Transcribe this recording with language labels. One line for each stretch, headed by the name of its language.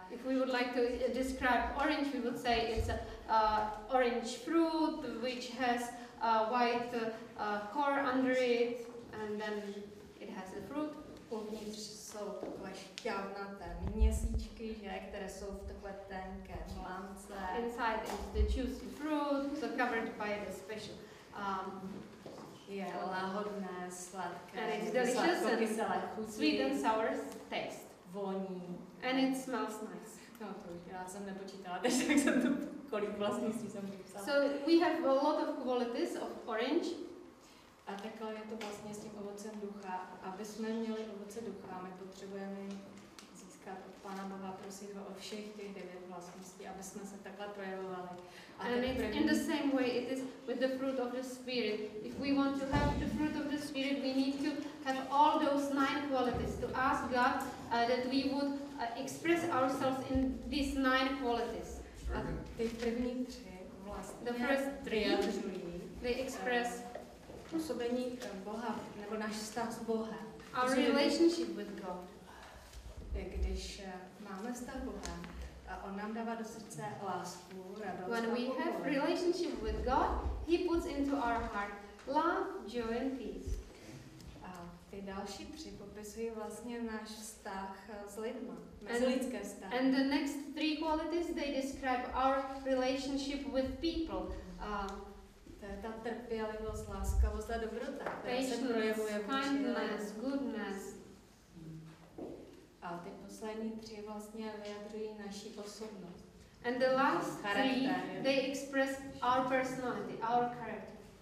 English: If we would like to describe orange, we would say it's a orange fruit, which has a white core under it, and then it has a fruit.
Czech: Uvnitř jsou takové šťavnaté měsíčky, že, které jsou v takové tenké mlance.
English: Inside is the juicy fruit, so covered by the special.
Czech: Je lahodné, sladké,
English: and it's delicious and chutí, sweet and sour taste.
Czech: Voní.
English: And it smells nice.
Czech: No to už já jsem nepočítala, takže jak jsem to, kolik vlastností jsem vypsala.
English: So we have a lot of qualities of orange.
Czech: A takhle je to vlastně s tím ovocem ducha. Aby jsme měli ovoce ducha, my potřebujeme získat od Pána Boha, prosit ho o všech těch devět vlastností, aby jsme se takhle projevovali. A and první...
English: in the same way it is with the fruit of the Spirit. If we want to have the fruit of the Spirit, we need to have all those nine qualities, to ask God that we would express ourselves in these nine qualities.
Czech: A ty první tři vlastně.
English: The first three, they express
Czech: působení Boha, nebo náš vztah s Bohem.
English: Our relationship with God.
Czech: Když máme vztah Boha, a on nám dává do srdce lásku, radost.
English: When we have relationship with God, he puts into our heart love, joy and peace.
Czech: A ty další tři popisují vlastně náš vztah s lidma, mezilidské vztahy.
English: And the next three qualities, they describe our relationship with people.
Czech: To je ta trpělivost, láskavost a dobrota, která se projevuje v
English: kindness, goodness.
Czech: A ty poslední tři vlastně vyjadřují naši osobnost.
English: And the last three, they express our personality, our character.